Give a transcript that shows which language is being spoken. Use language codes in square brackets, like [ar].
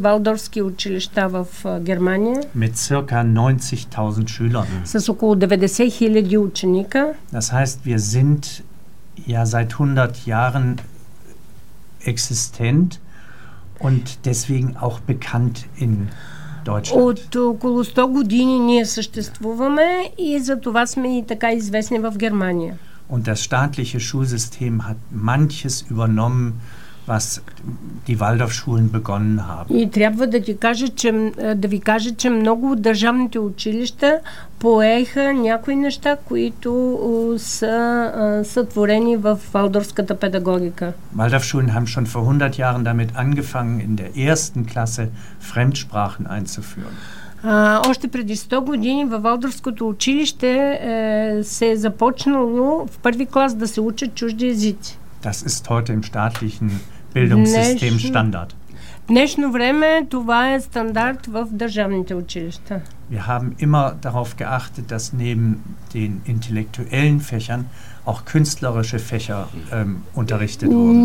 [bg] Waldorfske Училища в Германия. [de] Mit circa 90.000 Schülern. [bg] С около 90.000 ученика. [de] Das heißt, wir sind ja seit 100 Jahren existent und deswegen auch bekannt in [bg] От около 100 години ние съществуваме и затова сме и така известни в Германия. [de] Und das staatliche Schulsystem hat manches übernommen, was die Waldorfschulen begonnen haben. [bg] И трябва да ти кажа, че много от държавните училища поеха някои неща, които са сътворени в Валдорфската педагогика. [de] Waldorfschulen haben schon vor 100 Jahren damit angefangen, in der ersten Klasse Fremdsprachen einzuführen. [bg] Още преди 100 години във Валдорфското училище се е започнало в първи клас да се учат чужди езици. [de] Das ist heute im staatlichen Bildungssystem Standard. [bg] Днешно време това е стандарт в държавните училища. [de] Wir haben immer darauf geachtet, dass neben den intellektuellen Fächern auch künstlerische Fächer unterrichtet wurden.